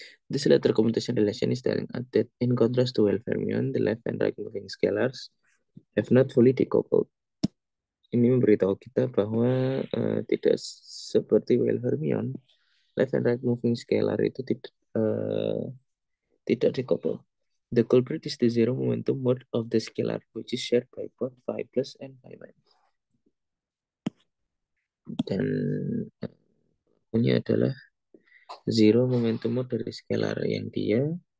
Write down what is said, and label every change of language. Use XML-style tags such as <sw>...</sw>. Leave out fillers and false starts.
<en>This latter computation relation is telling us that in contrast to well fermion, the left and right moving scalars have not fully decoupled.</en> <id>Ini memberitahu kita bahwa tidak seperti well fermion,</id> <en>left and right moving scalar</en> <id>itu tidak decoupled.</id> <en>The culprit is the zero momentum mode of the scalar, which is shared by both phi plus and phi minus.</en> <id>Dan ini adalah zero momentum mode dari scalar yang dia</id>